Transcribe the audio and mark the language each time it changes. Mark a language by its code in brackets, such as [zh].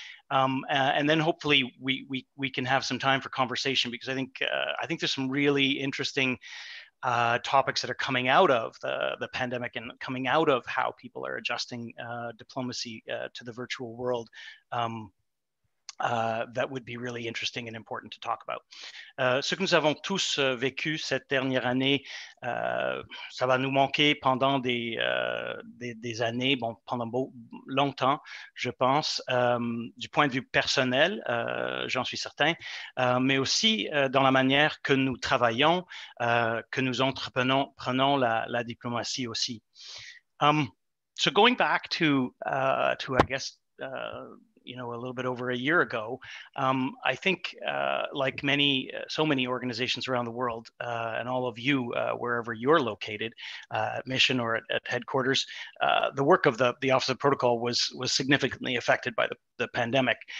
[en] And then hopefully we can have some time for conversation, because I think there's some really interesting topics that are coming out of the pandemic and coming out of how people are adjusting diplomacy to the virtual world. That would be really interesting and important to talk about. [fr] Ce que nous avons tous vécu cette dernière année, ça va nous manquer pendant des années, bon, pendant longtemps, je pense, du point de vue personnel, j'en suis certain, mais aussi dans la manière que nous travaillons, que nous entreprenons, prenons la diplomatie aussi. [en] So going back to I guess, a little bit over a year ago, I think like many, so many organizations around the world and all of you, wherever you're located, mission or at headquarters, the work of the Office of Protocol was significantly affected by the pandemic.